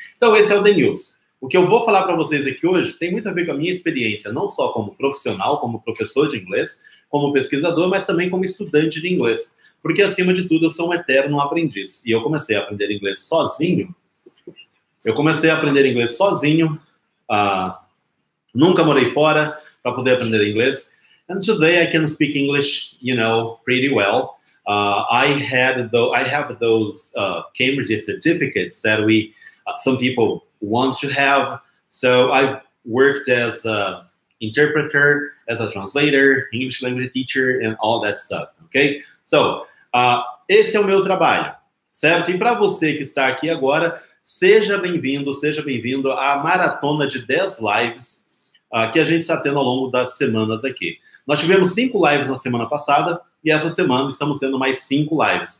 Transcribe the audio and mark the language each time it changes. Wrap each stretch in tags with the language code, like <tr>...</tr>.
<pt>Então, esse é o The News. O que eu vou falar para vocês aqui hoje tem muito a ver com a minha experiência, não só como profissional, como professor de inglês, como pesquisador, mas também como estudante de inglês. Porque, acima de tudo, eu sou um eterno aprendiz. E eu comecei a aprender inglês sozinho. Eu comecei a aprender inglês sozinho, nunca morei fora para poder aprender inglês.</pt> <en>And today I can speak English, you know, pretty well. I have those Cambridge certificates that we some people want to have. So I've worked as an interpreter, as a translator, English language teacher, and all that stuff. Okay?</en> <pt>So esse é o meu trabalho, certo? E para você que está aqui agora, seja bem-vindo à maratona de 10 lives que a gente está tendo ao longo das semanas aqui. Nós tivemos 5 lives na semana passada e essa semana estamos tendo mais 5 lives.</pt>